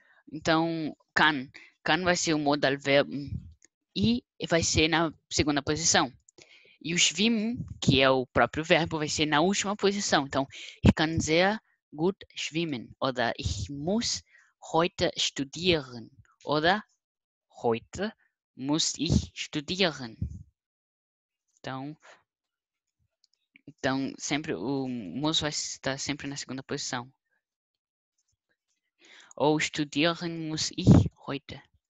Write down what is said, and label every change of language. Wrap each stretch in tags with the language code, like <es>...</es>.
<pt>Então kann vai ser o modal verbum. E vai ser na segunda posição. E o schwimmen, que é o próprio verbo, vai ser na última posição. Então,</pt> <de>ich kann sehr gut schwimmen. Oder ich muss heute studieren. Oder heute muss ich studieren.</de> <pt>Então sempre o muss vai estar sempre na segunda posição. Ou</pt> <de>studieren muss ich heute.</de>